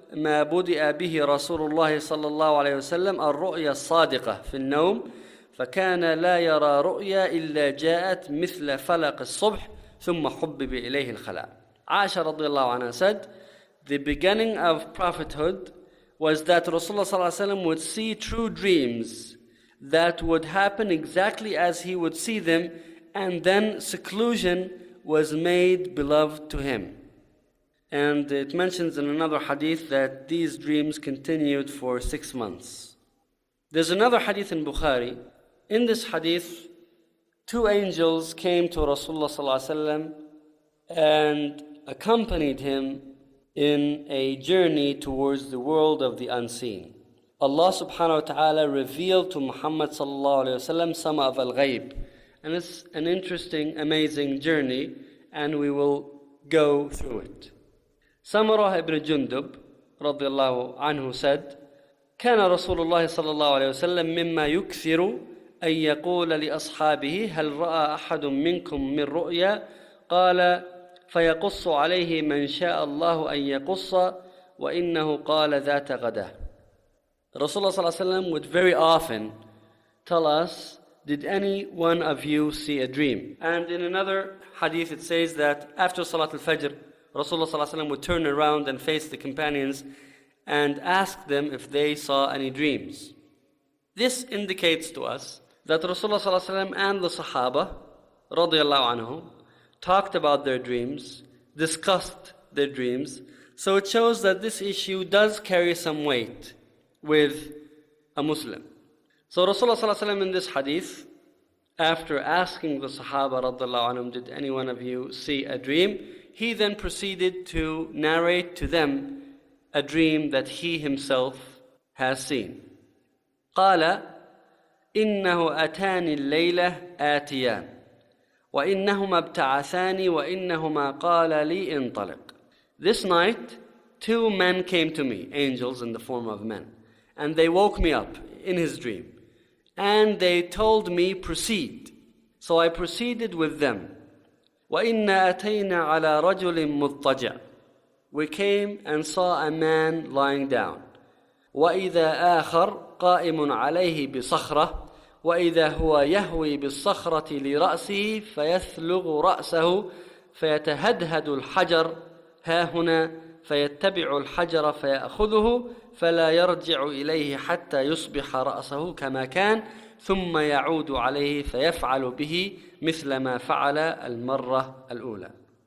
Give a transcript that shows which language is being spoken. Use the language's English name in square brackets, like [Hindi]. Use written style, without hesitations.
[Arabic] ما بدأ به رسول الله صلى الله عليه وسلم الرؤيا الصادقة في النوم، فكان لا يرى رؤيا إلا جاءت مثل فلق الصبح ثم حبب إليه الخلاء. [English] عائشة رضي الله عنها said, the beginning of prophethood was that Rasulullah صلى الله عليه وسلم would see true dreams that would happen exactly as he would see them, and then seclusion was made beloved to him. And it mentions in another hadith that these dreams continued for 6 months. There's another hadith in Bukhari. In this hadith, two angels came to Rasulullah صلى الله عليه وسلم and accompanied him in a journey towards the world of the unseen. Allah subhanahu wa ta'ala revealed to Muhammad sallallahu alayhi wa sallam some of al-ghayb. And it's an interesting, amazing journey, and we will go through it. Samurah ibn Jundub radiallahu anhu said, [Arabic] كان رسول الله صلى الله عليه وسلم مما يكثر أن يقول لأصحابه هل رأى أحد منكم من رؤيا؟ قال فيقص عليه من شاء الله أن يقص وإنه قال ذات غدا. [English] Rasulullah صلى الله عليه وسلم would very often tell us, did any one of you see a dream? And in another hadith it says that after Salat al-Fajr, Rasulullah صلى الله عليه وسلم would turn around and face the companions and ask them if they saw any dreams. This indicates to us that Rasulullah صلى الله عليه وسلم and the Sahaba رضي الله عنهم talked about their dreams, discussed their dreams. So it shows that this issue does carry some weight with a Muslim. So Rasulullah ﷺ in this hadith, after asking the Sahaba radhiallahu anhum, did any one of you see a dream? He then proceeded to narrate to them a dream that he himself has seen. [Arabic] قال إنه أتاني الليلة آتيان وإنهما ابتعثاني وإنهما قال لي انطلق. [English] This night, two men came to me, angels in the form of men, and they woke me up in his dream, and they told me proceed. So I proceeded with them. [Arabic] وَإِنَّ أَتَيْنَا عَلَى رَجُلٍ مُضْطَجَعٍ. [English] We came and saw a man lying down. [Arabic] وَإِذَا آخَرَ قَائِمٌ عَلَيْهِ بِصَخْرَةٍ وإذا هو يهوي بالصخرة لرأسه فيثلغ رأسه فيتهدهد الحجر ها هنا فيتبع الحجر فيأخذه فلا يرجع إليه حتى يصبح رأسه كما كان ثم يعود عليه فيفعل به مثل ما فعل المرة الأولى.